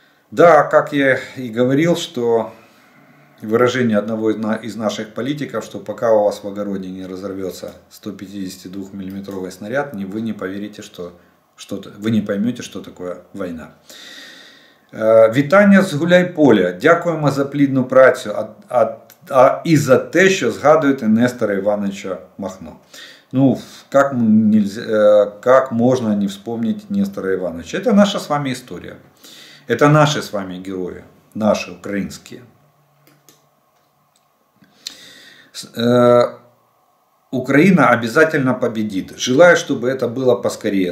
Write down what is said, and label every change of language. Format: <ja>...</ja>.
<ru>Да, как я и говорил, что выражение одного из наших политиков, что пока у вас в огороде не разорвется 152-миллиметровый снаряд, вы не поверите, вы не поймете, что такое война.</ru> <uk>Вітання з Гуляйполя. Дякуємо за плідну працю і за те, що згадуєте Нестора Івановича Махно.</uk> <ru>Ну, как можно не вспомнить Нестора Івановича? Это наша с вами история. Это наши с вами герои, наши украинские. Украина обязательно победит. Желаю, чтобы это было поскорее.</ru>